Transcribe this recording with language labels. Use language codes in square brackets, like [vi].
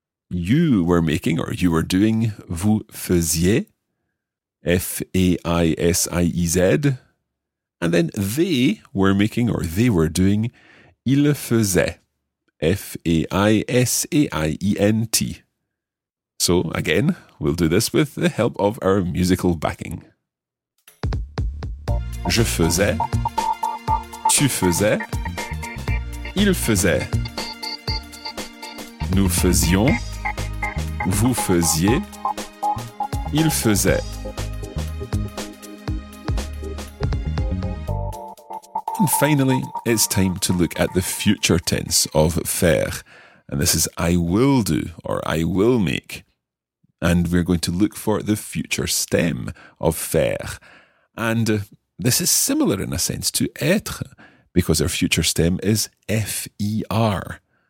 [en] You were making, or you were doing, [fr] vous faisiez, [en] F-A-I-S-I-E-Z. And then they were making, or they were doing, [fr] il faisait, [en] F-A-I-S-A-I-E-N-T. So again, we'll do this with the help of our musical backing. [fr] Je faisais, tu faisais, il faisait, nous faisions, vous faisiez, il faisait. [en] And finally, it's time to look at the future tense of faire. And this is I will do, or I will make. And we're going to look for the future stem of faire. And this is similar in a sense to être, because our future stem is F-E-R.